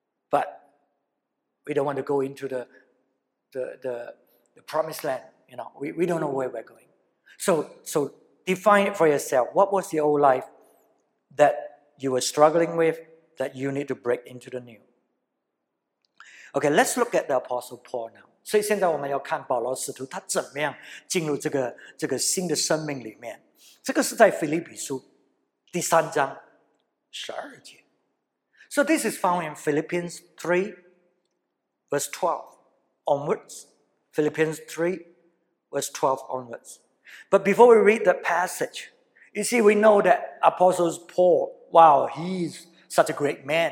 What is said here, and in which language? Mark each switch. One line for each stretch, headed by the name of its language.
English: But we don't want to go into the promised land. You know, we don't know where we're going. So define it for yourself. What was the old life that you were struggling with that you need to break into the new? Okay, let's look at the Apostle Paul now.
Chinese: 所以现在我们要看保罗使徒他怎么样进入这个新的生命里面。这个是在腓立比书第三章十二节。
English: So this is found in Philippians 3, verse 12 onwards. Philippians 3, verse 12 onwards. But before we read that passage, you see, we know that Apostle Paul, wow, he's such a great man.